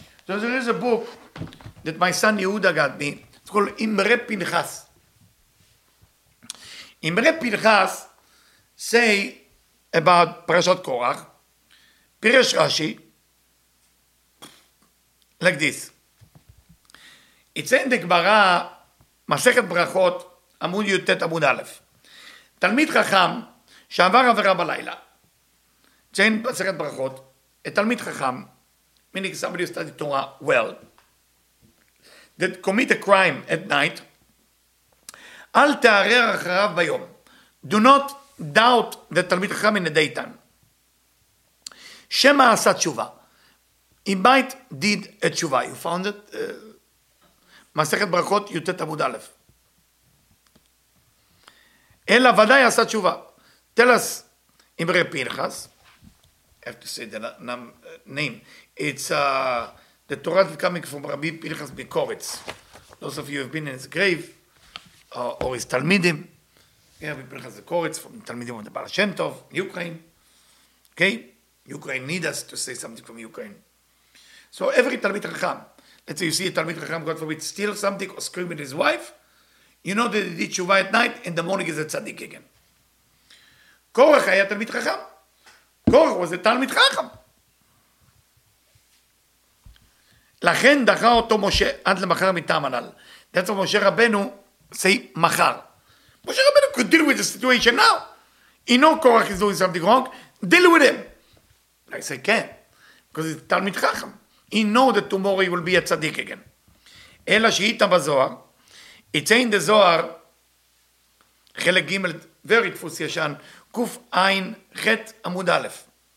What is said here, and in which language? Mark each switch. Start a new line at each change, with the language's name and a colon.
English: So there is a book that my son Yehuda got me. It's called Imre Pinchas. Imre Pinchas say about Parashat Korach, Piresh Rashi, like this. It's in the Gemara,
Hebrew: מסכת ברכות, עמוד יוטט, עמוד א', תלמיד חכם
English: שעבר עבירה בלילה, ציין מסכת ברכות, תלמיד חכם, meaning somebody who studied Torah well, that commit a crime at night,
Hebrew: אל תערער אחריו ביום,
English: do not doubt the תלמיד חכם in the daytime,
Hebrew: שמא עשה תשובה,
English: he might did a תשובה, you found it,
Hebrew: מסכת ברכות, יוטט, עמוד א', אלא ודאי עשה תשובה.
English: Tell us, Imre Pinchas, I have to say the name. It's the Torah is coming from Rabbi Pinchas Bikoritz. Those of you who have been in his grave, or his Talmidim, Rabbi Pinchas Bikoritz, from Talmidim of the Baal Shem Tov, Ukraine. Okay? Ukraine need us to say something from Ukraine. So every Talmid Chacham, let's say you see a Talmid Chacham, God forbid, steal something or scream at his wife, you know that he did tshuva at night, and the morning is a tzaddik again. Korach
Hebrew: היה תלמיד חכם.
English: Korach was a תלמיד חכם.
Hebrew: לכן דחה אותו משה עד למחר מטעם הנ"ל.
English: That's what משה רבנו say מחר. משה רבנו could deal with the situation now. He know Korach is doing something wrong. Deal with him. I say כן. Because he's a תלמיד חכם. He know that tomorrow he will be a tzaddik again.
Hebrew: אלא שהייתה בזוהר,
English: it's in the Zohar, Chelek Gimel, very Tfus Yashan, Kuf Ein Chet Amud Aleph.